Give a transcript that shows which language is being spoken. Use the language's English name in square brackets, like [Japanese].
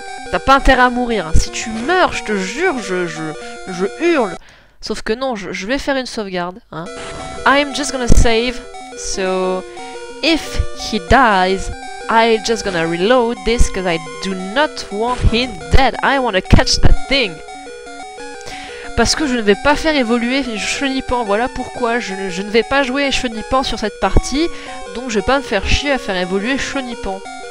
[French] T'as pas intérêt à mourir. Si tu meurs, je te jure, je hurle. Sauf que non, je vais faire une sauvegarde. [English] Hein. I'm just gonna save, so... If he dies, I'm just gonna reload this because I do not want him dead. I wanna catch that thing. [French] Parce que je ne vais pas faire évoluer Chenipan. Voilà pourquoi je ne vais pas jouer Chenipan sur cette partie. Donc je vais pas me faire chier à faire évoluer Chenipan.